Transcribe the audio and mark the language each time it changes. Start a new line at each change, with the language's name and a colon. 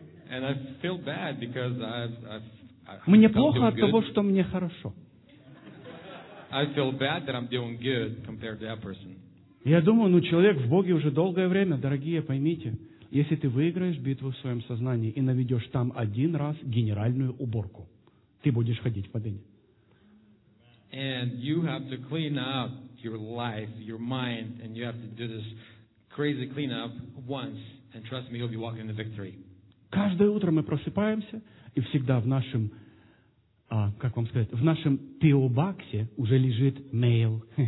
English: And I feel bad because I've
Russian: мне плохо от того, что мне хорошо.
English: I feel bad that I'm doing good compared to that person.
Russian: Я думаю, ну, человек в Боге уже долгое время, дорогие, поймите, если ты выиграешь битву в своем сознании и наведешь там один раз генеральную уборку, ты будешь ходить в подыне.
English: And you have to clean up your life, your mind, and you have to do this crazy cleanup once, and trust me, you'll be walking in the victory.
Russian: Каждое утро мы просыпаемся, и всегда в нашем, как вам сказать, в нашем ПО-баксе уже лежит mail.